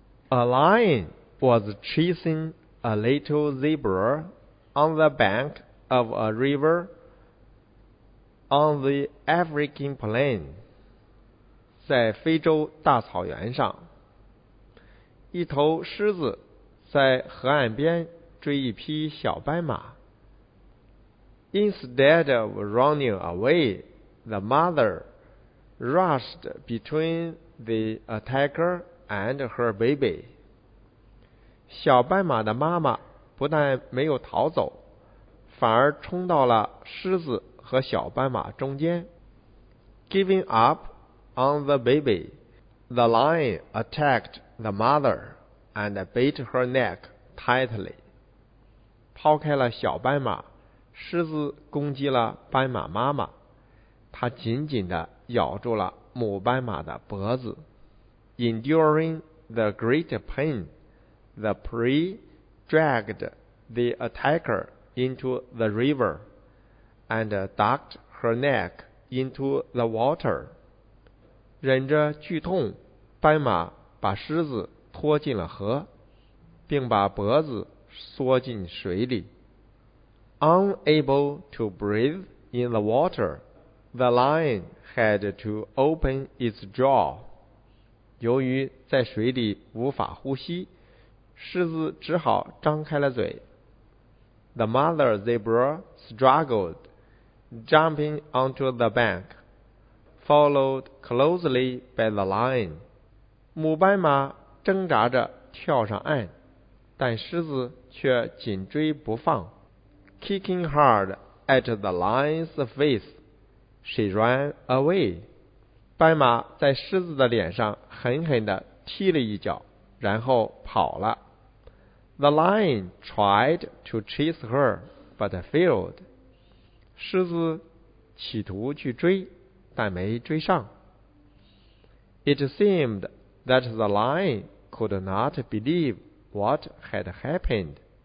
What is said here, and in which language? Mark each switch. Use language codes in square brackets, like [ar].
[en] A lion was chasing a little zebra on the bank of a river on the African plain. [zh] 在非洲大草原上，一头狮子在河岸边追一匹小斑马。 [en] Instead of running away, the mother rushed between the attacker and her baby. [zh] 小斑马的妈妈不但没有逃走，反而冲到了狮子和小斑马中间。 [en] Giving up on the baby, the lion attacked the mother and bit her neck tightly. [zh] 抛开了小斑马，狮子攻击了斑马妈妈，它紧紧地咬住了母斑马的脖子。 [en] Enduring the great pain, the prey dragged the attacker into the river and ducked her neck into the water. [zh] 忍着剧痛，斑马把狮子拖进了河，并把脖子缩进水里。 [en] Unable to breathe in the water, the lion had to open its jaw. [zh] 由于在水里无法呼吸，狮子只好张开了嘴。 [en] The mother zebra struggled, jumping onto the bank, followed closely by the lion. [zh] 母斑马挣扎着跳上岸，但狮子却紧追不放。 [en] Kicking hard at the lion's face, she ran away. [zh] 斑马在狮子的脸上狠狠地踢了一脚，然后跑了。 [en] The lion tried to chase her, but failed. [zh] 狮子企图去追，但没追上。 [en] It seemed that the lion could not believe what had happened.